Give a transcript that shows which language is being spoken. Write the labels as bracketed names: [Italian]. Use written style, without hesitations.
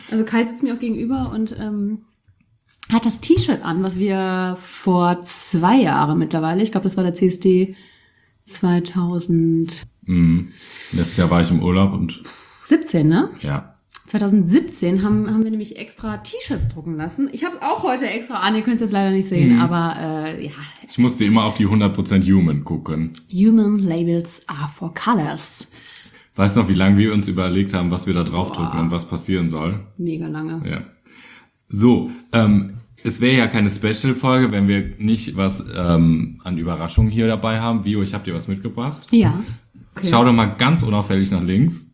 [German] Also Kai sitzt mir auch gegenüber und hat das T-Shirt an, was wir vor 2 Jahren mittlerweile, ich glaube, das war der CSD 2000... Letztes Jahr war ich im Urlaub und... 17, ne? Ja. 2017 haben wir nämlich extra T-Shirts drucken lassen. Ich habe es auch heute extra an, ihr könnt es jetzt leider nicht sehen, aber ja. Ich musste immer auf die 100% Human gucken. [English] Human Labels are for Colors. [German] Weißt du noch, wie lange wir uns überlegt haben, was wir da drauf drücken und was passieren soll? Mega lange. Ja. So, es wäre ja keine Special-Folge, wenn wir nicht was an Überraschungen hier dabei haben. Vio, ich habe dir was mitgebracht. Ja. Okay. Schau doch mal ganz unauffällig nach links.